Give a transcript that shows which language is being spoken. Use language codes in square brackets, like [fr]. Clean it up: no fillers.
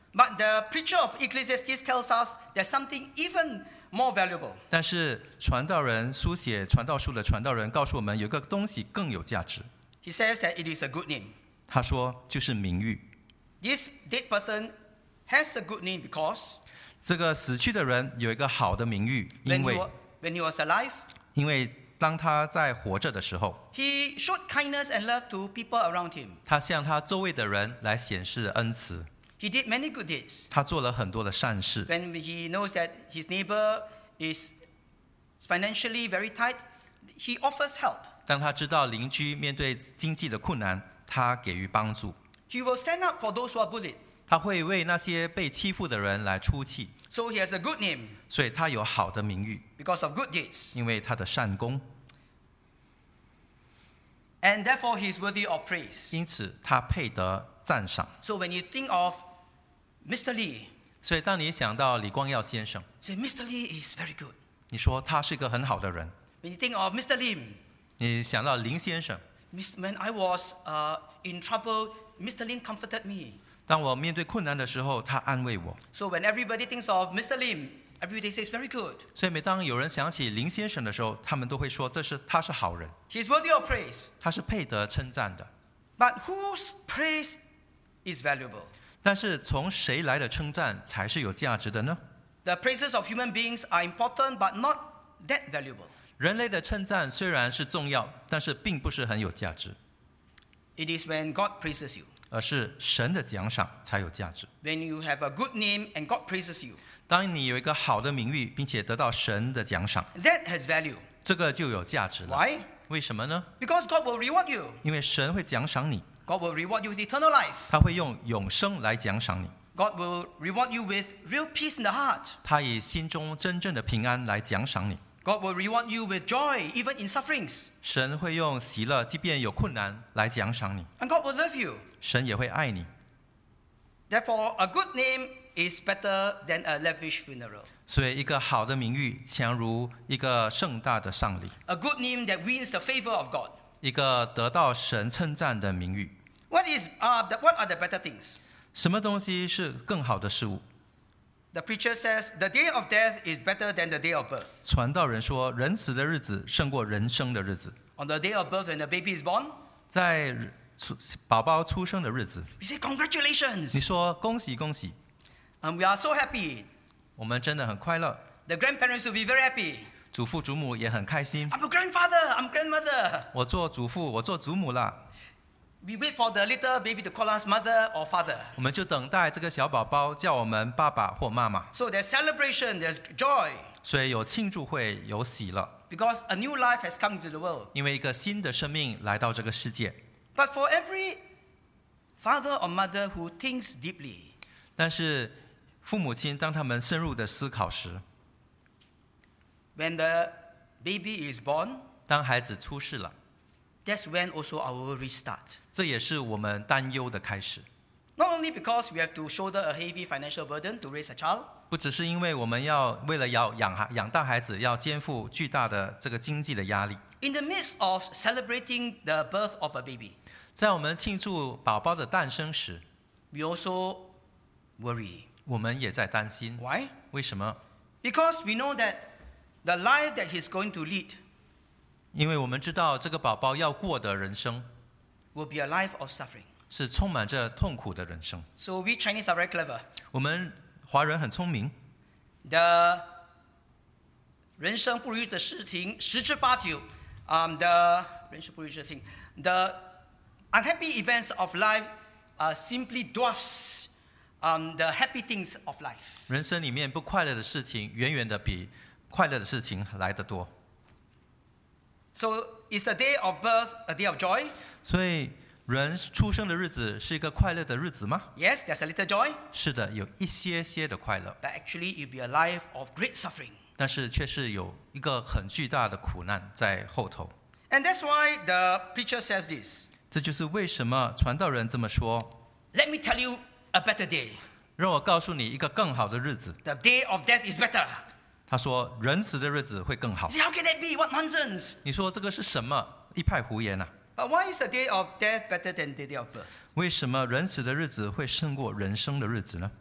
[en] But the preacher of Ecclesiastes tells us there's something even more valuable. [zh] 但是传道人书写传道书的传道人告诉我们有个东西更有价值。 [en] He says that it is a good name. [zh] 他说就是名誉。 [en] This dead person has a good name because [zh] 这个死去的人有一个好的名誉，因为 [en] when he was alive, [zh] 因为当他在活着的时候 [en] ，He showed kindness and love to people around him. [zh] 他向他周围的人来显示恩慈。 [en] He did many good deeds. [zh] 他做了很多的善事。 [en] When he knows that his neighbor is financially very tight, he offers help. [zh] 当他知道邻居面对经济的困难，他给予帮助。 [en] He will stand up for those who are bullied. [zh] 他会为那些被欺负的人来出气。 [en] So he has a good name. [zh] 所以他有好的名誉。 [en] Because of good deeds. [zh] 因为他的善功。 [en] And therefore he is worthy of praise. [zh] 因此他配得赞赏。 [en] So when you think of Mr. Lee. [zh] 所以当你想到李光耀先生。 [en] Say Mr. Lee is very good. [zh] 你说他是一个很好的人。 [en] When you think of Mr. Lim. [zh] 你想到林先生。 [en] When I was in trouble, Mr. Lim comforted me. [zh] 当我面对困难的时候，他安慰我。 [en] So when everybody thinks of Mr. Lim, everybody says very good. [zh] 所以每当有人想起林先生的时候，他们都会说这是他是好人。 [en] He is worthy of praise. [zh] 他是配得称赞的。 [en] But whose praise is valuable? [zh] 但是从谁来的称赞才是有价值的呢？ [en] The praises of human beings are important, but not that valuable. [zh] 人类的称赞虽然是重要，但是并不是很有价值。 [en] It is when God praises you. [zh] 而是神的奖赏才有价值。 [en] When you have a good name and God praises you. [zh] 当你有一个好的名誉，并且得到神的奖赏， [en] that has value. [zh] 这个就有价值了。 [en] Why? [zh] 为什么呢？ [en] Because God will reward you. [zh] 因为神会奖赏你。 [en] God will reward you with eternal life. [zh] 他会用永生来奖赏你。 [en] God will reward you with real peace in the heart. [zh] 他以心中真正的平安来奖赏你。 [en] God will reward you with joy, even in sufferings. [zh] 神会用喜乐，即便有困难，来奖赏你。 [en] And God will love you. [zh] 神也会爱你。 [en] Therefore, a good name is better than a lavish funeral. [zh] 所以，一个好的名誉强如一个盛大的丧礼。 [en] A good name that wins the favor of God. [zh] 一个得到神称赞的名誉。 [en] What are the better things? [zh] 什么东西是更好的事物？ [en] The preacher says the day of death is better than the day of birth. [zh] 传道人说，人死的日子胜过人生的日子。 [en] On the day of birth when the baby is born, [zh] 在宝宝出生的日子。 [en] We say congratulations. [zh] 你说恭喜恭喜。 [en] And we are so happy. [zh] 我们真的很快乐。 [en] The grandparents will be very happy. [zh] 祖父祖母也很开心。 [en] I'm a grandfather. I'm grandmother. [zh] 我做祖父，我做祖母了。 [en] We wait for the little baby to call us mother or father. [zh] 我们就等待这个小宝宝叫我们爸爸或妈妈。 [en] So there's celebration, there's joy. [zh] 所以有庆祝会，有喜乐。 [en] Because a new life has come into the world. [zh] 因为一个新的生命来到这个世界。 [en] But for every father or mother who thinks deeply. [zh] 但是父母亲当他们深入的思考时。 [en] When the baby is born. [zh] 当孩子出世了。 [en] That's when also our restart. [zh] 这也是我们担忧的开始。 [en] Not only because we have to shoulder a heavy financial burden to raise a child. [zh] 不只是因为我们要为了要养大孩子，要肩负巨大的这个经济的压力。 [en] In the midst of celebrating the birth of a baby, [zh] 在我们庆祝宝宝的诞生时 [en] ，we also worry. [zh] 我们也在担心。 [en] Why? [zh] 为什么 [en] ？Because we know that the life that he's going to lead. [zh] 因为我们知道这个宝宝要过的人生 [en] will be a life of suffering. [zh] 是充满着痛苦的人生。 [en] So we Chinese are very clever. [zh] 我们华人很聪明。 [en] The [zh] 人生不如意的事情十之八九 [en] The [zh] 人生不如意的事情 [en] The unhappy events of life simply dwarfs the happy things of life. [zh] 人生里面不快乐的事情远远的比快乐的事情来得多。 [en] So is the day of birth a day of joy? [zh] 所以人出生的日子是一个快乐的日子吗？ [en] Yes, there's a little joy. [zh] 是的，有一些些的快乐。 [en] But actually, it'll be a life of great suffering. [zh] 但是却是有一个很巨大的苦难在后头。 [en] And that's why the preacher says this. [zh] 这就是为什么传道人这么说。 [en] Let me tell you a better day. [zh] 让我告诉你一个更好的日子。 [en] The day of death is better. [zh] 他说人死的日子会更好。 [en] How can that be? What nonsense? [zh] 你说这个是什么？一派胡言啊。 [en] But why is the day of death better than the day of birth? [zh] 为什么人死的日子会胜过人生的日子呢？